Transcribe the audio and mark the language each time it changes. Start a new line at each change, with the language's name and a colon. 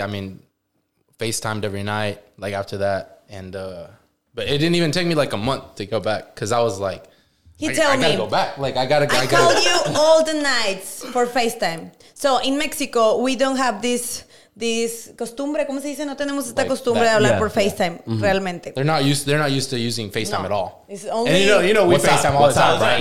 English: I mean, FaceTimed every night, like after that. And, but it didn't even take me like a month to go back because I was like, I gotta go back. Like, I gotta. I called you all the nights for FaceTime. So in Mexico, we don't have this costumbre.
Spanish: ¿Cómo se dice? No tenemos esta costumbre de hablar por FaceTime, realmente.
English: They're not used to using FaceTime at all. It's only, and you know we FaceTime all the time, right?